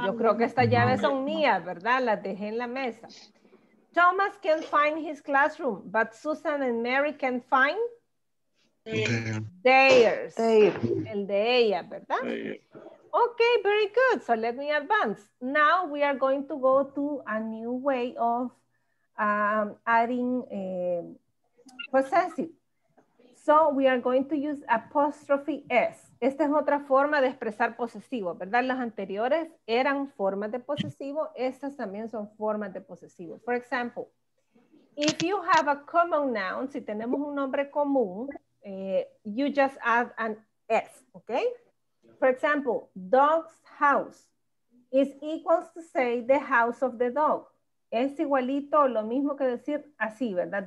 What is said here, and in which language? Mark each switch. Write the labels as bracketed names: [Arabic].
[Spanish] Yo creo que estas llaves son mías, ¿verdad? Las dejé en la mesa. [English] Thomas can't find his classroom, but Susan and Mary can find theirs. [Spanish] El de ella, ¿verdad? [English] Okay, very good. So let me advance. Now we are going to go to a new way of adding possessive. So we are going to use apostrophe S. [Spanish] Esta es otra forma de expresar posesivo, ¿verdad? Las anteriores eran formas de posesivo. Estas también son formas de posesivo. [English] For example, if you have a common noun, [Spanish] si tenemos un nombre común, [English] you just add an S, okay? For example, dog's house is equal to say the house of the dog. [Spanish] Es igualito, lo mismo que decir así, ¿verdad?